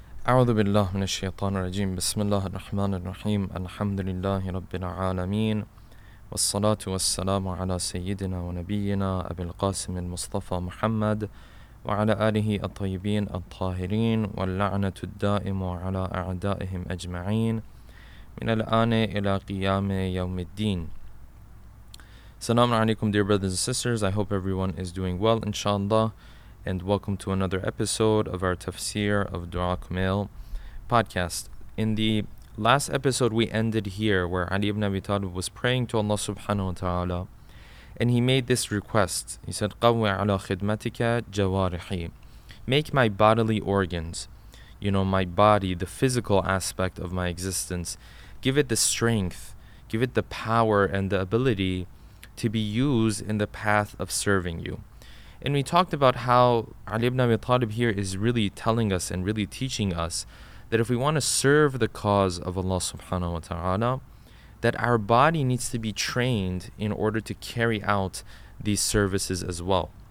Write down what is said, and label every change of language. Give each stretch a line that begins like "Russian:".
Arabic: أعوذ بالله من الشيطان الرجيم بسم الله الرحمن الرحيم الحمد لله رب العالمين والصلاة والسلام على سيدنا ونبينا أبي القاسم المصطفى محمد وعلى آله الطيبين الطاهرين واللعنة الدائمة على أعدائهم أجمعين من الآن إلى قيام يوم الدين.
English: Assalamu alaikum, dear brothers and sisters. I hope everyone is doing well, inshallah. And welcome to another episode of our Tafsir of Dua Kamil podcast. In the last episode, we ended here where Ali ibn Abi Talib was praying to Allah subhanahu wa ta'ala. And he made this request. He said,
Arabic: قَوِّ عَلَى خِدْمَتِكَ جَوَارِحِي.
English: Make my bodily organs, you know, my body, the physical aspect of my existence, give it the strength, give it the power and the ability to be used in the path of serving you. And we talked about how Ali ibn Abi Talib here is really telling us and really teaching us that if we want to serve the cause of Allah subhanahu wa ta'ala, that our body needs to be trained in order to carry out these services as well.